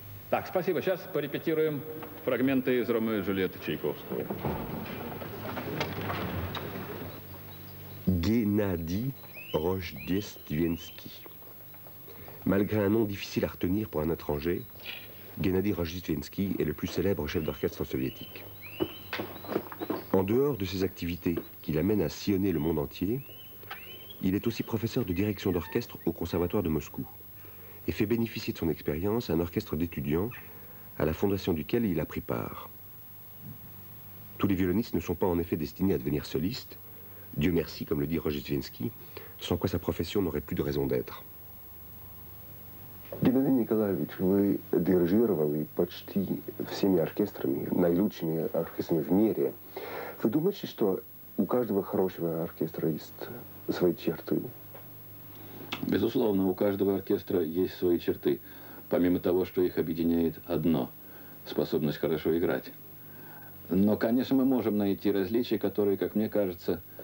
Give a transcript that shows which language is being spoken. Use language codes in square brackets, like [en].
[ru] Так, спасибо. Сейчас порепетируем фрагменты из «Ромео и Джульетты» Чайковского. Геннадий Рождественский. [fr] Malgré un nom difficile à retenir pour un étranger, Геннадий Рождественский est le plus célèbre chef d'orchestre soviétique. En dehors de ses activités qui l'amènent à sillonner le monde entier, il est aussi professeur de direction d'orchestre au Conservatoire de Moscou. Et fait bénéficier de son expérience un orchestre d'étudiants à la fondation duquel il a pris part. Tous les violonistes ne sont pas en effet destinés à devenir solistes, Dieu merci, comme le dit Rozhdestvensky, sans quoi sa profession n'aurait plus de raison d'être. [ru] Геннадий Николаевич, вы дирижировали почти всеми оркестрами, наилучшими оркестрами в мире. Вы думаете, что у каждого хорошего оркестра есть свои черты? Безусловно, у каждого оркестра есть свои черты, помимо того, что их объединяет одно – способность хорошо играть. Но, конечно, мы можем найти различия, которые, как мне кажется,